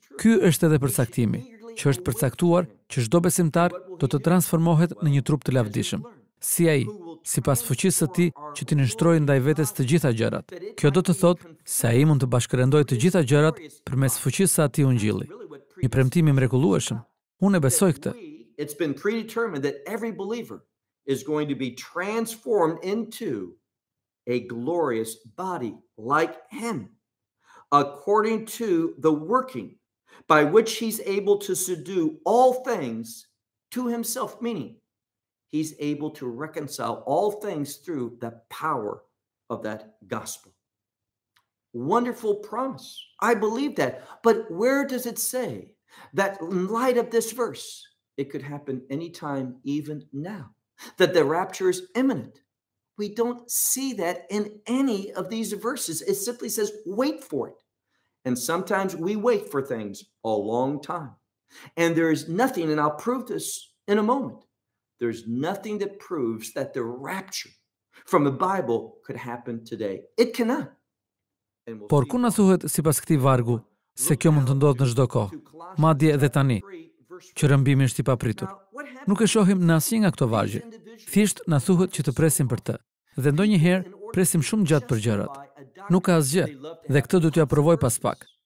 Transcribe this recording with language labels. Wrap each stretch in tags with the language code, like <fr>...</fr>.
<sq>Ky është edhe përcaktimi, që është përcaktuar që çdo besimtar do të transformohet në një trup të lavdishëm, si ai, sipas fuqisë së tij që t'i nështrojë ndaj vetes të gjitha gjërat. Kjo do të thotë se ai mund të bashkërendojë të gjitha gjërat përmes fuqisë së atij ungjilli. Një premtim i mrekullueshëm. Unë e besoj këtë.</sq> <en>It's been predetermined that every believer is going to be transformed into a glorious body like him, according to the working by which he's able to subdue all things to himself, meaning he's able to reconcile all things through the power of that gospel. Wonderful promise. I believe that. But where does it say that in light of this verse, it could happen anytime, even now, that the rapture is imminent? We don't see that in any of these verses. It simply says, wait for it. And sometimes we wait for things a long time. And there is nothing, and I'll prove this in a moment, there's nothing that proves that the rapture from the Bible could happen today. It cannot.</en> <sq>Por ku na thuhet sipas këtij vargu se kjo mund të ndodhë në çdo kohë, madje edhe tani, që rëmbimi është i papritur? Nuk e shohim në asnjë nga këto vargje. Thjesht na thuhet që të presim për të. Dhe ndonjëherë presim shumë gjatë për gjërat. Nuk ka asgjë, dhe këtë do t'ja provoj pas pak.</sq>